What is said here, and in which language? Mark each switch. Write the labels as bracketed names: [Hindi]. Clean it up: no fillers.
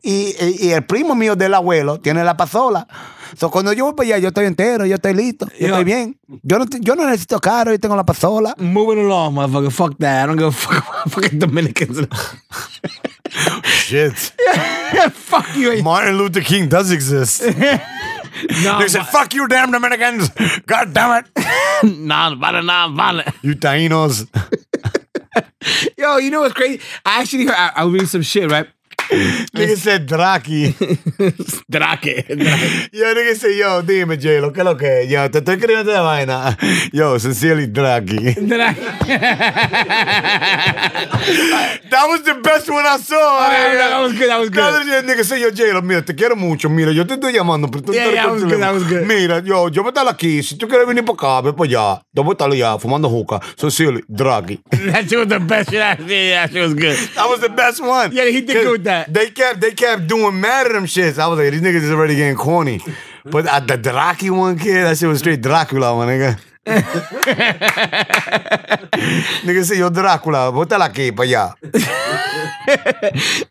[Spanish] Y el primo mío del abuelo tiene la pasola. So, cuando yo voy para allá, yo estoy entero, yo estoy listo. Yo estoy bien. Yo no necesito carro, yo tengo la pasola. [English] Moving along, motherfucker. Fuck that. I don't give a fuck about fucking Dominicans. Shit. Fuck you. Martin Luther King does exist. They said, fuck you, damn Dominicans. God damn it. Non-vale. You Tainos. Yo, you know what's crazy? I actually heard, I read some shit, right? Nigga said, Draki. Draki. Yo, nigga said, yo, [Spanish] dime, J-Lo, que lo que es? Yo, te estoy creyendo de vaina. [English] Yo, sincerely, Draki. That was the best one I saw. Oh, that was good. [Spanish] Cada día, [English] nigga said, yo, [Spanish] J-Lo, mira, te quiero mucho. Mira, yo te estoy llamando. [English] That was good. [Spanish] Mira, yo, yo voy a estar aquí. Si tú quieres venir para acá, ven para allá. Yo voy a estar allá, fumando hookah. [English] Sincerely, Draki. That shit was the best shit I seen. Yeah, she was good. That was the best one. Yeah, he did good. That. They kept doing mad at them shits. I was like, these niggas is already getting corny. But the Draki one, kid, that shit was straight Dracula, my nigga. Nigga say, yo, [Spanish] Dracula, botala aquí, pa allá.